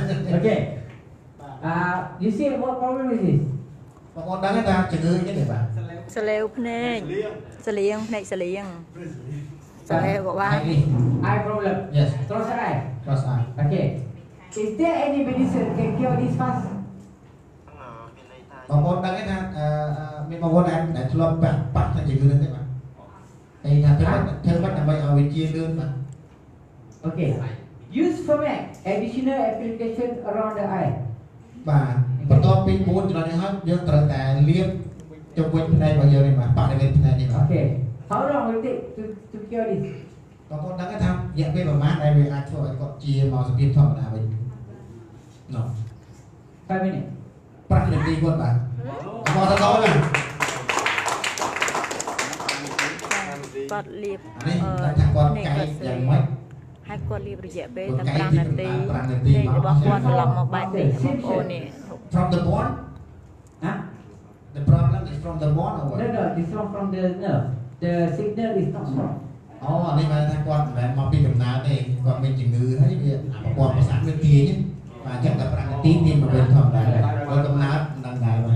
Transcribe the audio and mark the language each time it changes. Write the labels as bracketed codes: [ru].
[en] អូខេyou see what problem is this? [km] បងប្អូនដឹងថាជំងឺនេះទេបាទ សលាវភ្នែកសលៀងភ្នែកសលៀងសលាវក៏បា [en] ន eye problem yes [km] ត្រូវស្អែ ត្រូវស្អែ [en] អូខេ is there any medicine can cure this fast? [km] បងប្អូនដឹងថាមានបងប្អូនដែលធ្លាប់បាក់ថាជំងឺនេះទេបាទឯងថាធ្វើបាក់ដើម្បីឲ្យវាជាលឿនបាទ [en] អូខេ use for me additional application around the eye. [km] បាទបន្ទាប់ពី4ចំណុចនេះហើយយើងត្រូវតែលាបជុំវិញផ្នែករបស់យើងនេះបាទបរិវេណផ្នែកនេះបាទ [en] អូខេ How long will it take to cure this? [km] បងប្អូនដឹងថារយៈពេលប្រហែលដែលវាអាចធ្វើឲ្យគាត់ជាមកសភាពធម្មតាវិញណូ [en] 5 minutes [km] ប្រហែលនាទីគាត់បាទបងប្អូនទៅដល់ហើយ បាទលាប នេះថាគាត់កាយយ៉ាងម៉េច ហើយគាត់លាបរយៈពេលតែ5នាទី ពេល របស់គាត់ត្រឡប់មកបែបនេះបងប្អូននេះ [en] from the bone ha the problem is from the bone or what no no it's not from the nerve the signal is not strong [km] អូនេះបែរថាគាត់មិនមែនមកពីដំណើរទេគាត់មានជំងឺហើយវាប្រព័ន្ធប្រសាទវាទាញបាទអញ្ចឹងតែ5នាទីទាញមកវិញធម្មតាដែរគាត់ដំណើរដល់ដែរបាទ